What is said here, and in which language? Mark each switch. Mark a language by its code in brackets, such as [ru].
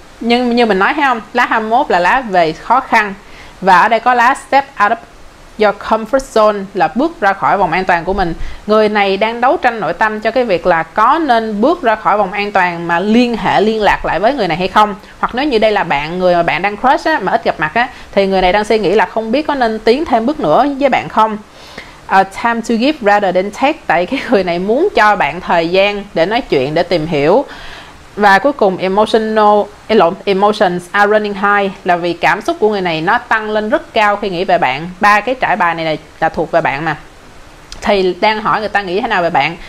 [vi] Nhưng như mình nói thấy không, lá 21 là lá về khó khăn, và ở đây có lá [en] step out of your comfort zone, [vi] là bước ra khỏi vòng an toàn của mình. Người này đang đấu tranh nội tâm cho cái việc là có nên bước ra khỏi vòng an toàn mà liên hệ liên lạc lại với người này hay không. Hoặc nếu như đây là bạn, người mà bạn đang crush á, mà ít gặp mặt á, thì người này đang suy nghĩ là không biết có nên tiến thêm bước nữa với bạn không. [en] A time to give rather than take. [vi] Tại cái người này muốn cho bạn thời gian để nói chuyện, để tìm hiểu. Và cuối cùng [en] emotions are running high, [vi] là vì cảm xúc của người này nó tăng lên rất cao khi nghĩ về bạn. Ba cái trải bài này là thuộc về bạn mà. Thì đang hỏi người ta nghĩ thế nào về bạn.